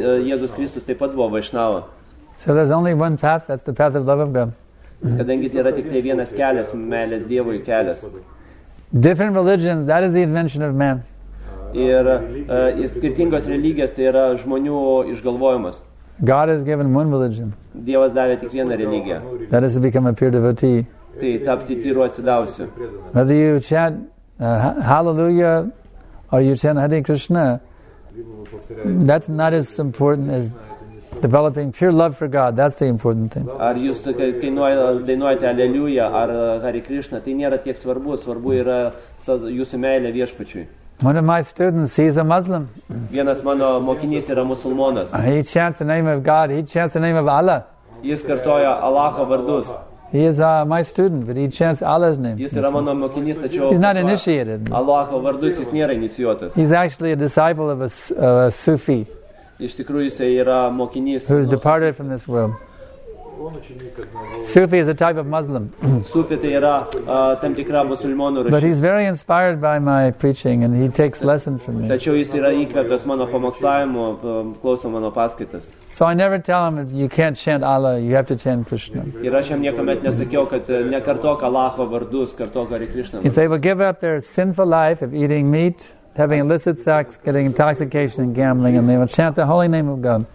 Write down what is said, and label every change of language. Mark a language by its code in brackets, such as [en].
[lt] Jėzus Kristus taip pat buvo Vaishnava. [en] So there's only one path, that's the path of love of God. [lt] Kadangi tai yra tik tai vienas kelias, meilės Dievui kelias. [en] Different religions, that is the invention of man. [lt] Ir skirtingos religijos, tai yra žmonių išgalvojimas. [en] God has given one religion. [lt] Dievas davė tik vieną religiją. [en] That is to become a pure devotee. [lt] Tai tapti tyru atsidavusiu. [en] Whether you chant hallelujah or you chant Hare Krishna, That's not as important as developing pure love for God. That's the important thing. [lt] Ar jūs dainuojate Aleliuja ar Hare Krishna, tai nėra tiek svarbu. Svarbu yra jūsų meilė Viešpačiui. [en] One of my students, he's a Muslim. [lt] Vienas mano mokinys yra musulmonas. [en] He chants the name of God. He chants the name of Allah. [lt] Jis kartoja Alacho vardus. [en] He is my student, but he chants Allah's name. [lt] Jis yra mano mokinys, tačiau [en] he's not initiated. [lt] Alacho vardus, jis nėra inicijuotas. [en] He's actually a disciple of a Sufi. [lt] Iš tikrųjų, jis yra mokinys. [en] Who's departed from this world. Sufi is a type of Muslim. [lt] Sufi tai yra tam tikra musulmonų rūšis. [en] But he's very inspired by my preaching and he takes lessons from me. [lt] Tačiau jis yra įkvėptas mano pamokslavimo, klauso mano paskaitas. [en] So I never tell him that you can't chant Allah, you have to chant Krishna. [lt] Ir aš jam niekuomet nesakiau, kad nekartok Alacho vardus, kartok Hare Krishna. [en] If they will give up their sinful life of eating meat, having illicit sex, getting intoxication and gambling, and they will chant the holy name of God.